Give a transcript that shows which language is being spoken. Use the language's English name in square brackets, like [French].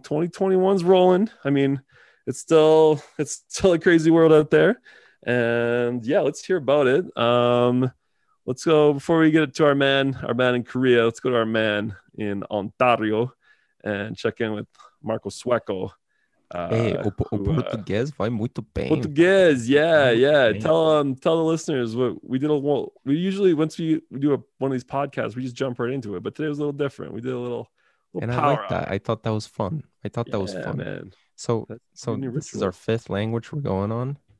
[English] 2021's rolling. I mean, it's still a crazy world out there, and yeah, let's hear about it. Let's go, before we get to our man in Korea, let's go to our man in Ontario and check in with Marco Sueco. [Portuguese] Hey, o português vai muito bem. [English] Português, yeah, yeah. Tell the listeners what we did. We usually, once we do one of these podcasts, we just jump right into it. But today was a little different. We did a little and And I liked that. I thought that was fun. Man. So this is our fifth language we're going on.